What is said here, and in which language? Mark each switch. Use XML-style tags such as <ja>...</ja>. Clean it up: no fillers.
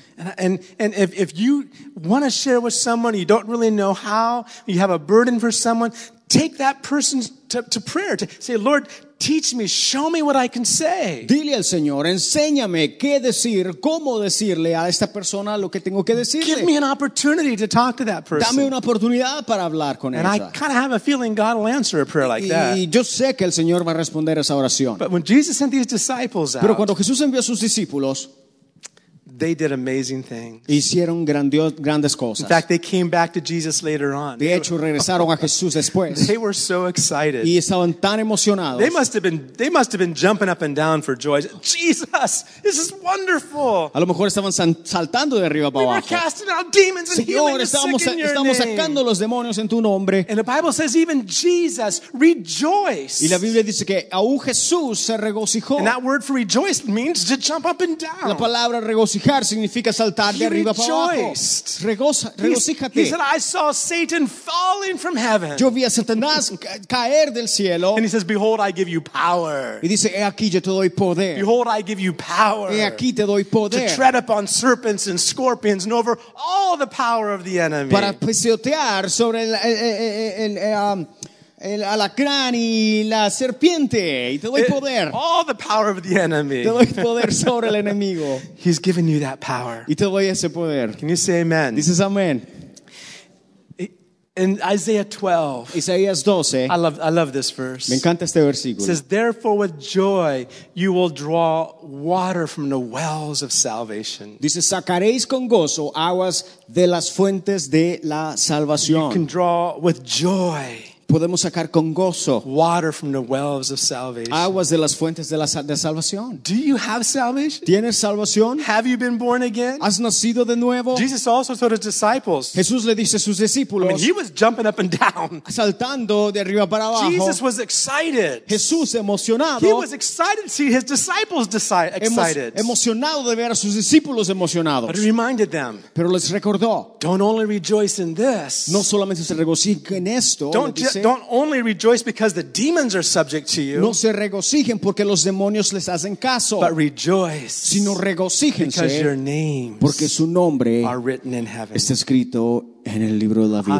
<en>And if you want to share with someone, you don't really know how, you have a burden for someone, take that person to prayer. To say, Lord, teach me, show me what I can say.</en> <es>Dile al Señor, enséñame qué decir, cómo decirle a esta persona lo que tengo que decirle.</es> <en>Give me an opportunity to talk to that person.</en> <es>Dame una oportunidad para hablar con ella.</es> <en>And I kind of have a feeling God will answer a prayer like that.</en> <es>Y yo sé que el Señor va a responder esa oración.</es> <en>But when Jesus sent these disciples out,</en> <es>pero cuando Jesús envió a sus discípulos,</es> <en>they did amazing things.</en> <es>Hicieron grandes cosas.</es> <en>In fact, they came back to Jesus later on.</en> <es>De hecho, regresaron a Jesús después.</es> <en>They were so excited.</en> <es>Y estaban tan emocionados.</es> <en>They must have been jumping up and down for joy. Jesus, this is wonderful.</en> <es>A lo mejor estaban saltando de arriba para abajo.</es> <en>We were casting out demons and</en> <es>Señor,</es> <en>healing the sick in your</en> <es>estamos sacando</es> <en>name.</en> <es>Los demonios en tu nombre.</es> <en>And the Bible says even Jesus rejoiced.</en> <es>Y la Biblia dice que aún Jesús se regocijó.</es> <en>And that word for rejoice means to jump up and down.</en> <es>La palabra regocijo significa saltar de arriba para abajo. Regocíjate.</es> <en>He said, I saw Satan falling from heaven.</en> <es>Yo vi a Satanás caer del cielo.</es> <en>And he says, behold, I give you power.</en> <es>Y dice, he aquí yo te doy poder.</es> <en>Behold, I give you power.</en> <es>He aquí te doy poder.</es> <en>To tread upon serpents and scorpions and over all the power of the enemy.</en> <es>Para pisotear sobre el alacrán y la serpiente y te doy poder.</es> <en>All the power of the enemy.</en> <es>Te doy poder sobre el enemigo.</es> <en>He's given you that power.</en> <es>Y te doy ese poder.</es> <en>Can you say amen?</en> <es>Dices amén.</es> <en>In Isaiah 12.</en> <es>Isaías 12.</es> <en>I love this verse.</en> <es>Me encanta este versículo.</es> <en>It says, therefore with joy you will draw water from the wells of salvation.</en> <es>Dice, sacaréis con gozo aguas de las fuentes de la salvación.</es> <en>You can draw with joy.</en> <es>Podemos sacar con gozo</es> <en>water from the wells of salvation.</en> <es>Aguas de las fuentes de salvación.</es> <en>Do you have salvation?</en> <es>¿Tienes salvación?</es> <en>Have you been born again?</en> <es>¿Has nacido de nuevo?</es> <en>Jesus also told his disciples.</en> <es>Jesús le dice a sus discípulos.</es> <en>I mean, he was jumping up and down.</en> <es>Saltando de arriba para abajo.</es> <en>Jesus was excited.</en> <es>Jesús emocionado.</es> <en>He was excited to see his disciples excited.</en> <es>Emocionado de ver a sus discípulos emocionados.</es> <en>But he reminded them.</en> <es>Pero les recordó.</es> <en>Don't only rejoice in this.</en> <es>No solamente se regocijen en esto.</es> <en>Don't only rejoice because the demons are subject to you.</en> <es>No se regocijen porque los demonios les hacen caso.</es> <en>But rejoice.</en> <es>Sino regocíjense.</es> <en>Because your names.</en> <es>Porque su nombre</es> <en>are written in heaven.</en> <es>Está escrito en el libro de la vida.</es>